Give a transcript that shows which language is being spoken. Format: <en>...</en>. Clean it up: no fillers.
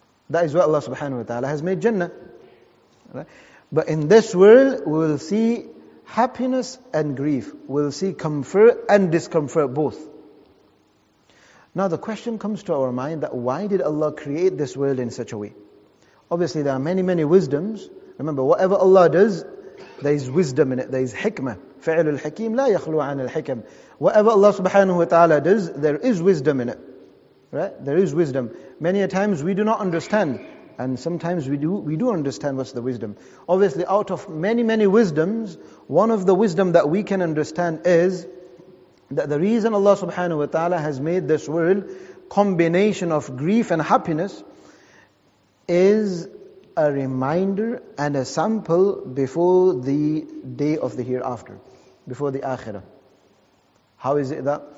<en>That is what Allah subhanahu wa ta'ala has made Jannah. But in this world, we will see happiness and grief. We will see comfort and discomfort both. Now the question comes to our mind that why did Allah create this world in such a way? Obviously there are many, many wisdoms. Remember, whatever Allah does, there is wisdom in it, there is hikmah.</en> <ar>فعل الحكيم لا يخلو عن الحكم.</ar> <en>Whatever Allah subhanahu wa ta'ala does, there is wisdom in it. Right? There is wisdom. Many a times we do not understand, and sometimes we do understand what's the wisdom. Obviously, out of many, many wisdoms, one of the wisdom that we can understand is that the reason Allah subhanahu wa ta'ala has made this world combination of grief and happiness is a reminder and a sample before the day of the hereafter, before the akhirah. How is it that?</en>